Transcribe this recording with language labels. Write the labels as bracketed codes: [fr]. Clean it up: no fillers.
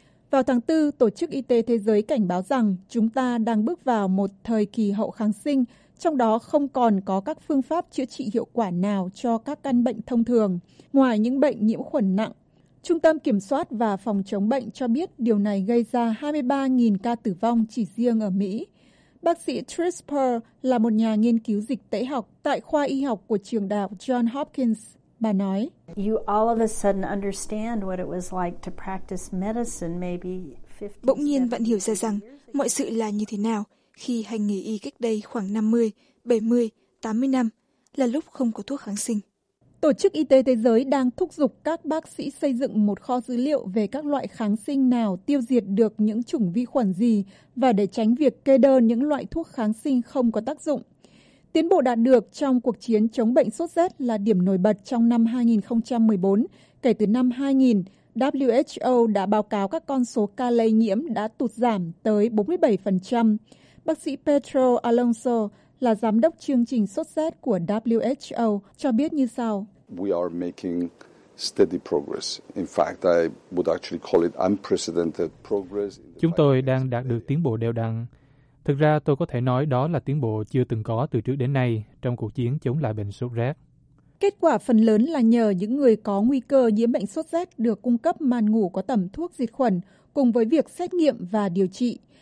[vi] Vào tháng 4, Tổ chức Y tế Thế giới cảnh báo rằng chúng ta đang bước vào một thời kỳ hậu kháng sinh, trong đó không còn có các phương pháp chữa trị hiệu quả nào cho các căn bệnh thông thường, ngoài những bệnh nhiễm khuẩn nặng. Trung tâm Kiểm soát và Phòng chống bệnh cho biết điều này gây ra 23.000 ca tử vong chỉ riêng ở Mỹ. Bác sĩ Tris Pearl là một nhà nghiên cứu dịch tễ học tại khoa y học của trường đại học Johns Hopkins. Bà nói, [en] "You all of a sudden understand what it was like to practice medicine maybe 50." [vi] Bỗng nhiên bạn hiểu ra rằng mọi sự là như thế nào khi hành nghề y cách đây khoảng 50, 70, 80 năm là lúc không có thuốc kháng sinh. Tổ chức Y tế Thế giới đang thúc giục các bác sĩ xây dựng một kho dữ liệu về các loại kháng sinh nào tiêu diệt được những chủng vi khuẩn gì và để tránh việc kê đơn những loại thuốc kháng sinh không có tác dụng. Tiến bộ đạt được trong cuộc chiến chống bệnh sốt rét là điểm nổi bật trong năm 2014. Kể từ năm 2000, WHO đã báo cáo các con số ca lây nhiễm đã tụt giảm tới 47%. Bác sĩ Pedro Alonso là giám đốc chương trình sốt rét của WHO cho biết như sau. [en] We are making steady progress. In fact, I would actually call it unprecedented progress. [vi] Chúng tôi đang đạt được tiến bộ đều đặn. Thực ra tôi có thể nói đó là tiến bộ chưa từng có từ trước đến nay trong cuộc chiến chống lại bệnh sốt rét. Kết quả phần lớn là nhờ những người có nguy cơ nhiễm bệnh sốt rét được cung cấp màn ngủ có tẩm thuốc diệt khuẩn cùng với việc xét nghiệm và điều trị.